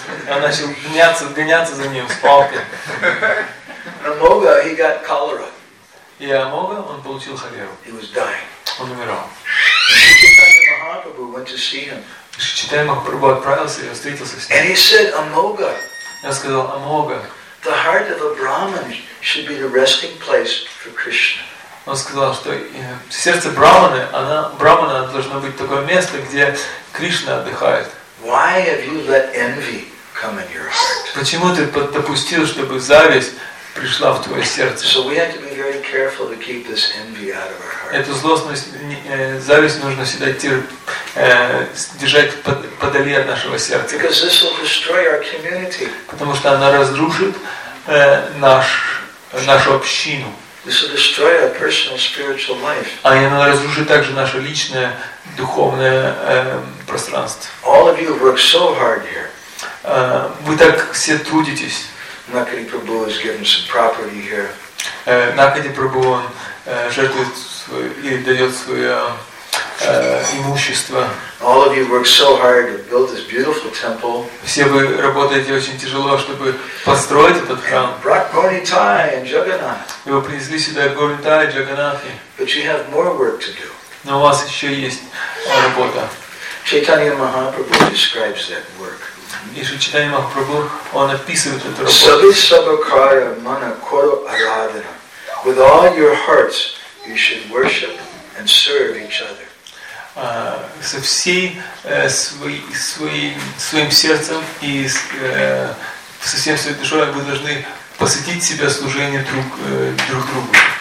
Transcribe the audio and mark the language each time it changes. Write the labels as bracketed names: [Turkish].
[Russian] Он начал гоняться за ним с палкой. [English] Amoga, he got cholera. [Russian] И Амога, он получил холеру. [English] He was dying. [Russian] Он умирал. [English] Mahaprabhu went to see him. [Russian] Шичитай Махапрабху отправился и встретился с ним. [English] And he said, Amoga. [Russian] Я сказал, Амога. [English] The heart of a Brahman should be the resting place for Krishna. [Russian] Он сказал, что сердце Брахманы, Брахмана должно быть такое место, где Кришна отдыхает. [English] Why have you let envy come in your heart? [Russian] Почему ты допустил, чтобы зависть пришла в твое сердце? [English] So we have to be very careful to keep this envy out of our heart. [Russian] Эту злостность, зависть нужно всегда держать подали от нашего сердца. [English] Because this will destroy our community. [Russian] Потому что она разрушит нашу общину. [English] This will destroy our personal spiritual life. [Russian] А она разрушит также наше личное духовное пространство. [English] All of you work so hard here. [Russian] Вы так все трудитесь. [English] Накади Прабху has given some property here. [Russian] Накади Прабху он жертвует или дает свое имущество. [English] All of you work so hard to build this beautiful temple. [Russian] Все вы работаете очень тяжело, чтобы построить этот храм. [English] Brought Gaurintai and Jagannath. [Russian] Его принесли сюда Гаурантай и Джаганнатхи. [English] But you have more work to do. [Russian] Но у вас еще есть работа. [English] Chaitanya Mahaprabhu describes that work. [Russian] Если Chaitanya Mahaprabhu, он описывает эту работу. [Sanskrit] Sabhakara mana koro aradhana. [English] With all your hearts, you should worship and serve each other. [Russian] Со всей своим сердцем и со всем своей душой вы должны посвятить себя служению друг другу.